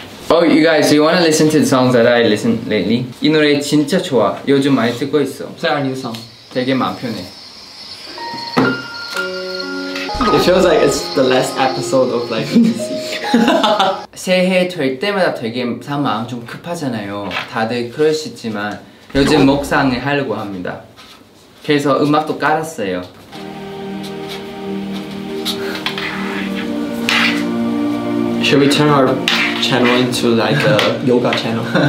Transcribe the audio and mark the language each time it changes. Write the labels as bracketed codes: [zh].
[en] Oh, you guys, do you want to listen to the songs that I listen lately? [ko] 이 노래 진짜 좋아. 요즘 많이 듣고 있어. [en] It's a new song. [ko] 되게 마음 편해. [en] It feels like it's the last episode of like ETC. [ko] 새해 될 때마다 되게 마음 좀 급하잖아요. 다들 그러시지만 요즘 목상을 하려고 합니다. 그래서 음악도 깔았어요. [en] should we turn our channel into like a yoga channel?